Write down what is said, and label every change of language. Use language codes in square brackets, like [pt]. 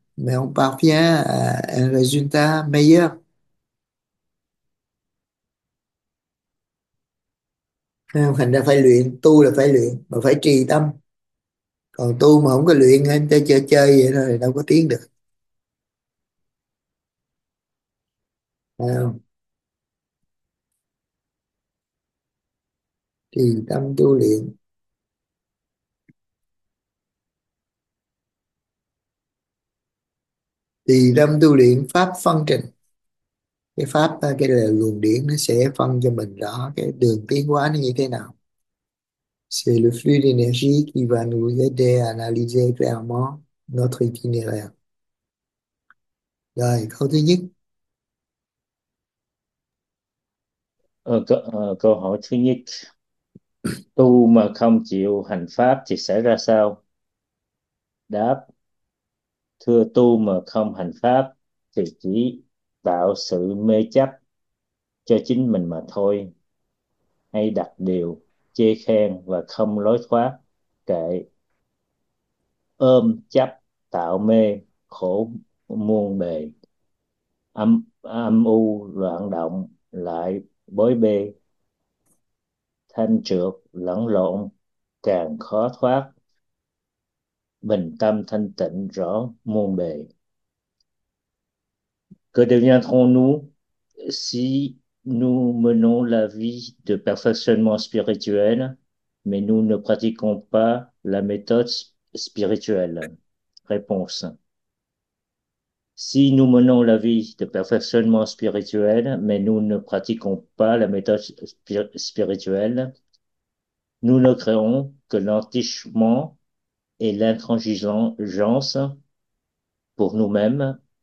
[fr] mais on parvient à un résultat meilleur. [vi] Thành ra phải luyện, tu là phải luyện mà phải trì tâm. Còn tu mà không có luyện anh ta chơi chơi vậy thôi thì đâu có tiến được. Không? Trì tâm tu luyện. Trì tâm tu luyện pháp phân trình. Cái pháp, cái là luồng điển, nó sẽ phân cho mình rõ cái đường tiến hóa nó như thế nào. [fr] C'est le flux d'énergie qui va nous aider à analyser clairement notre itinéraire. [vi] Rồi, câu thứ nhất. Câu hỏi thứ nhất, tu mà không chịu hành pháp thì sẽ ra sao? Đáp: thưa, tu mà không hành pháp thì chỉ tạo sự mê chấp cho chính mình mà thôi, hay đặt điều chê khen và không lối thoát, kệ ôm chấp tạo mê khổ muôn bề, âm u loạn động lại bối bê, thanh trược lẫn lộn càng khó thoát, bình tâm thanh tịnh rõ muôn bề. [fr] Que deviendrons-nous si nous menons la vie de perfectionnement spirituel, mais nous ne pratiquons pas la méthode spirituelle? Réponse: si nous menons la vie de perfectionnement spirituel, mais nous ne pratiquons pas la méthode spirituelle, nous ne créons que l'entichement et l'intransigeance pour nous-mêmes.